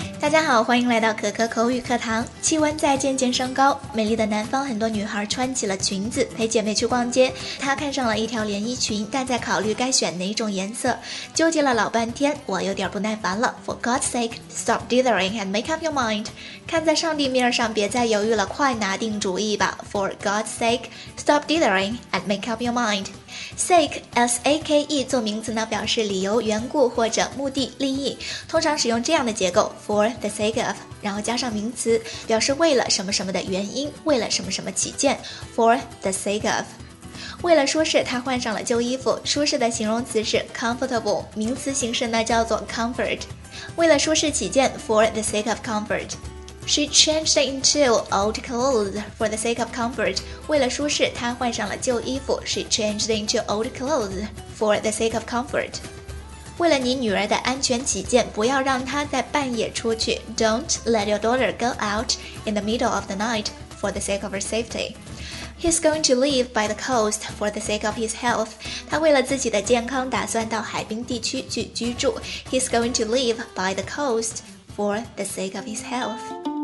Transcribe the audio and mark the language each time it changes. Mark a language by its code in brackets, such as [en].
[zh] 家好，欢迎来到可可口语课堂。气温在渐渐升高，美丽的南方很多女孩穿起了裙子，陪姐妹去逛街。她看上了一条连衣裙，但在考虑该选哪种颜色，纠结了老半天。我有点不耐烦了。 [en] For God's sake, stop dithering and make up your mind. [zh] 看在上帝面上，别再犹豫了，快拿定主意吧。 [en] For God's sake, stop dithering and make up your mind. [zh] Sake, S-A-K-E, 做名词呢，表示理由、缘故或者目的、利益，通常使用这样的结构 [en] for the sake of, [zh] 然后加上名词，表示为了什么什么的原因，为了什么什么起见 for the sake of。为了舒适，他换上了旧衣服。舒适的形容词是 comfortable， 名词形式呢叫做 comfort。为了舒适起见 [en] for the sake of comfort。 She changed into old clothes for the sake of comfort. [zh] 为了舒适，她换上了旧衣服。 [en] She changed into old clothes for the sake of comfort. [zh] 为了你女儿的安全起见，不要让她在半夜出去。 [en] Don't let your daughter go out in the middle of the night for the sake of her safety. He's going to live by the coast for the sake of his health. [zh] 他为了自己的健康，打算到海滨地区去居住。 [en] He's going to live by the coast for the sake of his health.